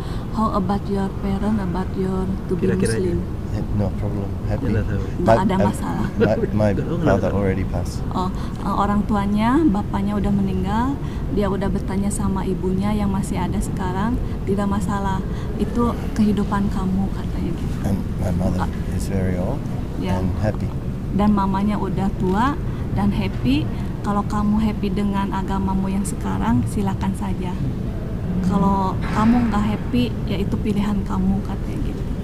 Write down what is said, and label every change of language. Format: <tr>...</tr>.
<en>How about your parents about your to be Muslim? Yeah, no problem. Happy.</en> <id>Tidak ada masalah.</id> <en>My father already passed.</en> <id>Oh, orang tuanya, bapaknya udah meninggal. Dia udah bertanya sama ibunya yang masih ada sekarang. Tidak masalah. Itu kehidupan kamu katanya gitu.</id> <en>And my mother is very old and happy.</en> <id>dan mamanya udah tua dan happy, kalau kamu happy dengan agamamu yang sekarang, silakan saja. Kalau kamu nggak happy, ya itu pilihan kamu, katanya gitu.</id>